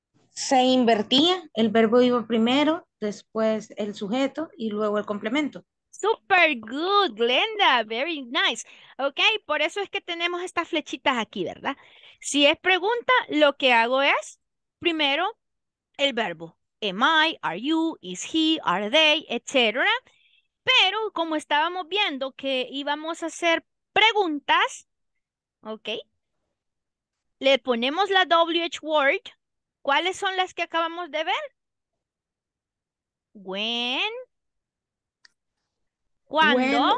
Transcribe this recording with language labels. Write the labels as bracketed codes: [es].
[es] Se invertía, el verbo iba primero, después el sujeto y luego el complemento. [en] Super good, Glenda, very nice. [es] Ok, por eso es que tenemos estas flechitas aquí, ¿verdad? Si es pregunta, lo que hago es primero el verbo. [en] Am I, are you, is he, are they, etc. [es] Pero como estábamos viendo que íbamos a hacer preguntas, ok, le ponemos la WH word. ¿Cuáles son las que acabamos de ver? When, ¿cuándo?